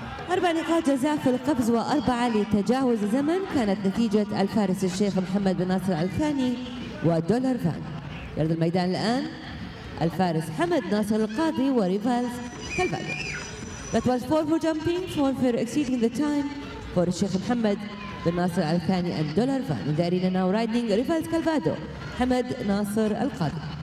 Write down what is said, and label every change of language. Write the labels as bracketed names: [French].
[Arabic] 4 نقاط جزاء في القفز و4 لتجاوز الزمن كانت نتيجة الفارس الشيخ محمد بن ناصر الثاني ودولار فان. يرد الميدان الآن الفارس حمد ناصر القاضي وريفالز كالفادر. [English] That was 4 for jumping, 4 for exceeding the time for الشيخ محمد بن ناصر الثاني and Dollar Van. And there is now riding Rivals Calvado حمد ناصر القاضي.